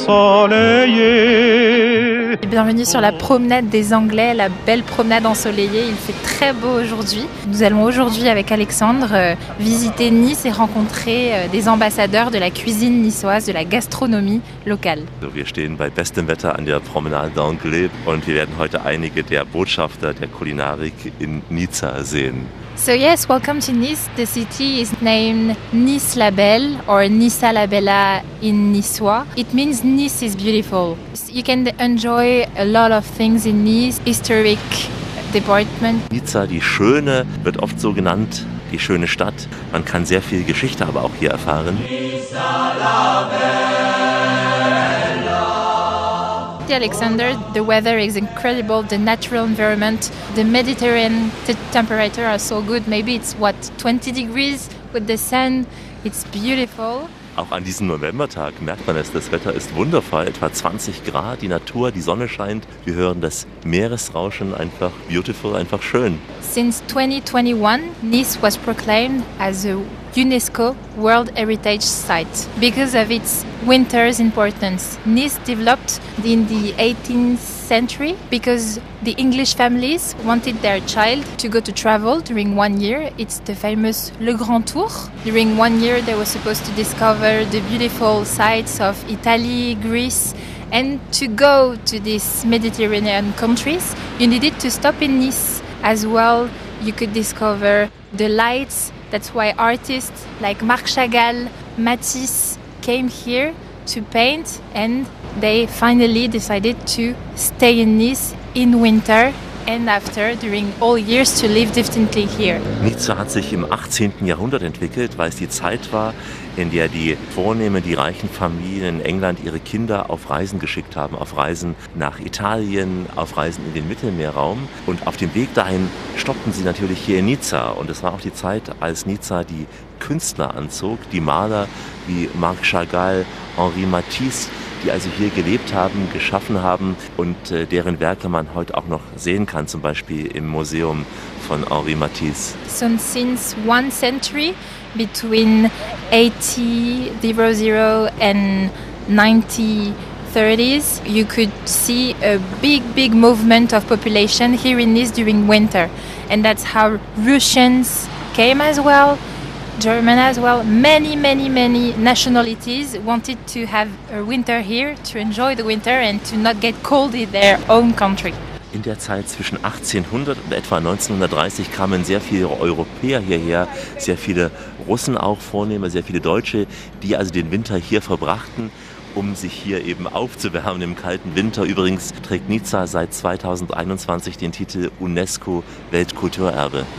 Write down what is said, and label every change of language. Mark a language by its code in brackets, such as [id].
[fr] Bienvenue sur la promenade des Anglais, la belle promenade ensoleillée. Il fait très beau aujourd'hui. Nous allons aujourd'hui avec Alexandre visiter Nice et rencontrer des ambassadeurs de la cuisine niçoise, de la gastronomie locale. [de] Wir stehen bei bestem Wetter an der Promenade des Anglais und wir werden heute einige der Botschafter der Kulinarik in Nizza sehen. [en] So yes, welcome to Nice. The city is named Nice la Belle or Nissa la Bella in Niçois. It means Nice is beautiful. You can enjoy a lot of things in Nice, historic department. [de] Nizza, die Schöne, wird oft so genannt, die schöne Stadt. Man kann sehr viel Geschichte aber auch hier erfahren. Nissa la Belle. [en] Alexander, the weather is incredible, the natural environment, the Mediterranean temperature are so good. Maybe it's what, 20 degrees with the sun, it's beautiful. [de] Auch an diesem Novembertag merkt man es, das Wetter ist wundervoll, etwa 20 Grad, die Natur, die Sonne scheint, wir hören das Meeresrauschen, einfach beautiful, einfach schön. [en] Since 2021, Nice was proclaimed as a UNESCO World Heritage Site because of its winter's importance. Nice developed in the 18th century because the English families wanted their child to go to travel during 1 year. It's the famous Le Grand Tour. During 1 year, they were supposed to discover the beautiful sites of Italy, Greece, and to go to these Mediterranean countries, you needed to stop in Nice as well. You could discover the lights. That's why artists like Marc Chagall, Matisse came here to paint, and they finally decided to stay in Nice in winter and after, during all years, to live differently here. [de] Nizza hat sich im 18. Jahrhundert entwickelt, weil es die Zeit war, in der die Vornehmen, die reichen Familien in England ihre Kinder auf Reisen geschickt haben, auf Reisen nach Italien, auf Reisen in den Mittelmeerraum. Und auf dem Weg dahin stoppten sie natürlich hier in Nizza. Und es war auch die Zeit, als Nizza die Künstler anzog, die Maler wie Marc Chagall, Henri Matisse, die also hier gelebt haben, geschaffen haben und deren Werke man heute auch noch sehen kann, zum Beispiel im Museum von Henri Matisse. [en] So since one century, between 1800 and 1930s, you could see a big, big movement of population here in Nice during winter. And that's how Russians came as well. German as well. Many, many, many nationalities wanted to have a winter here to enjoy the winter and to not get cold in their own country. [de] In der Zeit zwischen 1800 und etwa 1930 kamen sehr viele Europäer hierher, sehr viele Russen auch vornehmer, sehr viele Deutsche, die also den Winter hier verbrachten, um sich hier eben aufzuwärmen im kalten Winter. Übrigens trägt Nizza seit 2021 den Titel UNESCO Weltkulturerbe.